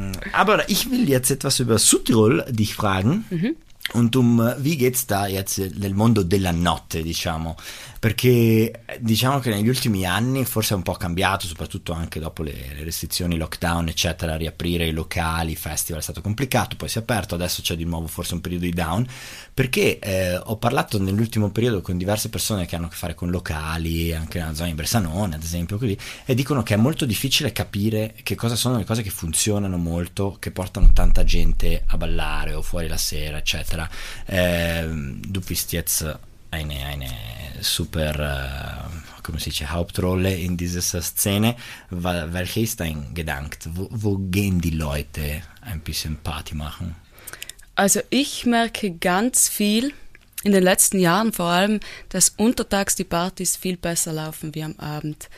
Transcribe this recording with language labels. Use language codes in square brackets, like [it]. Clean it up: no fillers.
[de] Allora, ich will jetzt etwas über Südtirol dich fragen. Mhm. Und wie geht's da jetzt [it] nel mondo della notte, diciamo? Perché diciamo che negli ultimi anni forse è un po' cambiato, soprattutto anche dopo le restrizioni, lockdown, eccetera, riaprire i locali, i festival è stato complicato, poi si è aperto, adesso c'è di nuovo forse un periodo di down. Perché ho parlato nell'ultimo periodo con diverse persone che hanno a che fare con locali, anche nella zona di Bressanone, ad esempio, così, e dicono che è molto difficile capire che cosa sono le cose che funzionano molto, che portano tanta gente a ballare o fuori la sera, eccetera. [de] Du bist jetzt eine super, [it] come si dice, [de] Hauptrolle in dieser Szene. Welche ist dein Gedanke? Wo gehen die Leute ein bisschen Party machen? Also ich merke ganz viel in den letzten Jahren vor allem, dass untertags die Partys viel besser laufen wie am Abend.